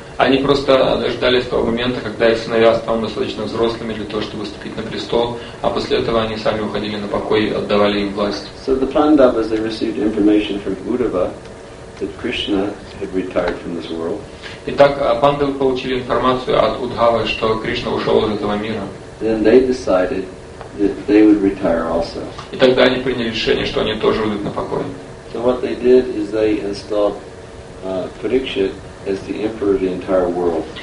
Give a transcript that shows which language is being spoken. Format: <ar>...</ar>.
<ru>Они просто дождались того момента, когда их сыновья стали достаточно взрослыми для того, чтобы вступить на престол, а после этого они сами уходили на покой и отдавали им власть.</ru> <en>So the Pandavas, they received information from Uddhava that Krishna had retired from this world.</en> <ru>Итак, Пандавы получили информацию от Удхавы, что Кришна ушел из этого мира.</ru> <en>Then they decided that they would retire also.</en> <ru>И тогда они приняли решение, что они тоже уйдут на покой.</ru> <en>So what they did is they installed Parikshit as the emperor of the entire world.</en>